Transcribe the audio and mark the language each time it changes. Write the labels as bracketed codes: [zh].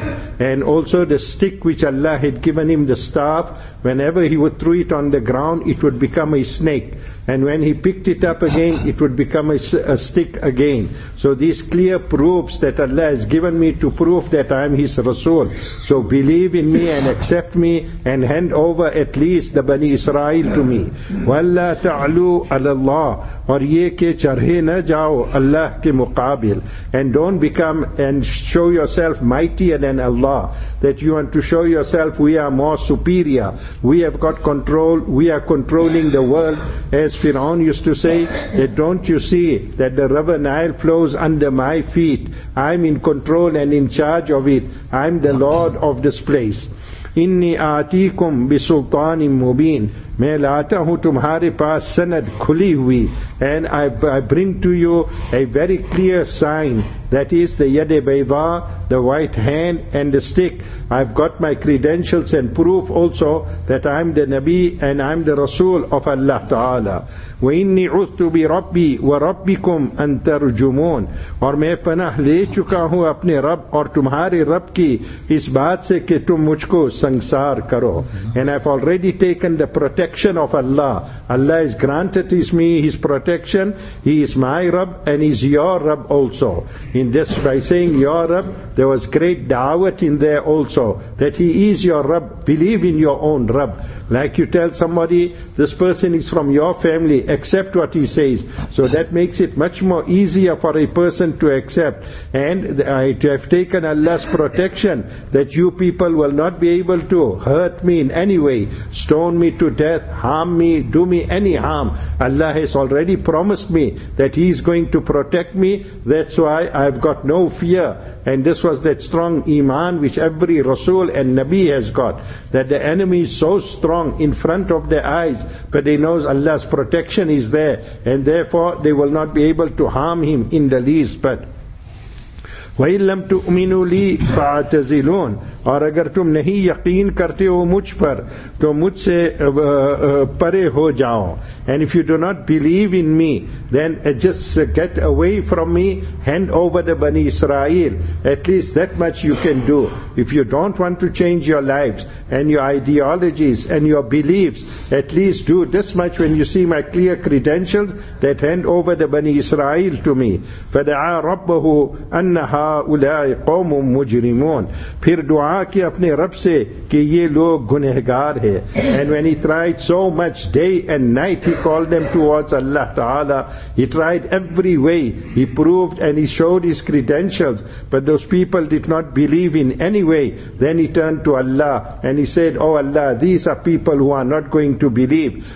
[en] And also the stick which Allah had given him, the staff, whenever he would throw it on the ground, it would become a snake. And when he picked it up again, it would become a stick again. So these clear proofs that Allah has given me to prove that I am His Rasul. So believe in me and accept me and hand over at least the Bani Israel to me. [ar] وَلَّا تَعْلُوا عَلَى اللَّهِ [ur] اور یہ کہ چرہے نہ جاؤ اللہ کے مقابل. [en] And don't become and show yourself mightier than Allah. That you want to show yourself we are more superior. We have got control. We are controlling the world. As Fir'aun used to say, that don't you see that the river Nile flows under my feet? I'm in control and in charge of it. I'm the Lord of this place. [ar] Inni aatikum bisultanin mubin. [ur] Main laata hu tumhare paas sanad khuli hui. [en] And I bring to you a very clear sign. That is the yade bayda, the white hand and the stick. I've got my credentials and proof also that I'm the Nabi and I'm the Rasul of Allah Ta'ala. [ar] وَإِنِّي عُثْتُ بِرَبِّي وَرَبِّكُمْ أَن تَرْجُمُونَ [ur] اور میں پناہ لے چکا ہوں اپنے رب اور تمہارے رب کی اس بات سے کہ تم مجھ کو سنگسار کرو. [en] And I've already taken the protection of Allah. Allah has granted me His protection. He is my Rabb and He is your Rabb also. In this, by saying your Rabb, there was great da'wat in there also, that He is your Rabb. Believe in your own Rabb. Like you tell somebody, this person is from your family, accept what he says. So that makes it much more easier for a person to accept. And I have taken Allah's protection, that you people will not be able to hurt me in any way, stone me to death, harm me, do me any harm. Allah has already already promised me that he is going to protect me. That's why I've got no fear. And this was that strong iman which every Rasul and Nabi has got. That the enemy is so strong in front of their eyes, but they know Allah's protection is there. And therefore they will not be able to harm him in the least. But [ar] وَإِن لَمْ تُؤْمِنُوا لِي فَاعْتَزِلُونَ [ur] اور اگر تم نہیں یقین کرتے ہو مجھ پر تو مجھ سے پرے ہو جاؤ. [en] And if you do not believe in me, then just get away from me, hand over the Bani Israel. At least that much you can do. If you don't want to change your lives and your ideologies and your beliefs, at least do this much when you see my clear credentials, that hand over the Bani Israel to me. [ar] فَدَعَا رَبَّهُ أَنَّ هَا أُولَاءِ قَوْمٌ مُجْرِمُونَ [ur] پھر دعا کی اپنے رب سے کہ یہ لوگ گنہگار ہے. [en] And when he tried so much day and night, he called them towards Allah Ta'ala. He tried every way. He proved and he showed his credentials. But those people did not believe in any way. Then he turned to Allah and he said, "Oh Allah, these are people who are not going to believe.